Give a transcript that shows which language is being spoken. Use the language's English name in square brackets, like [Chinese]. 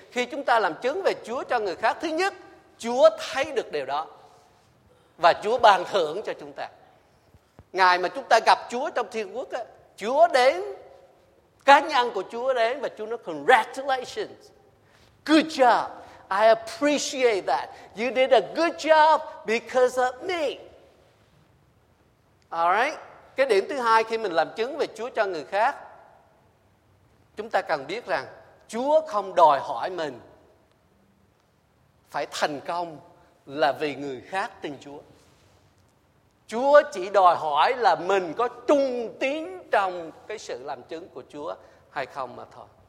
[Vietnamese] Khi chúng ta làm chứng về Chúa cho người khác, thứ nhất, Chúa thấy được điều đó và Chúa ban thưởng cho chúng ta. Ngày mà chúng ta gặp Chúa trong thiên quốc, Chúa đến, cá nhân của Chúa đến và Chúa nói [English] congratulations, good job, I appreciate that. You did a good job because of me. Alright. [Vietnamese] Cái điểm thứ hai, khi mình làm chứng về Chúa cho người khác, chúng ta cần biết rằng Chúa không đòi hỏi mình phải thành công là vì người khác tin Chúa. Chúa chỉ đòi hỏi là mình có trung tín trong cái sự làm chứng của Chúa hay không mà thôi.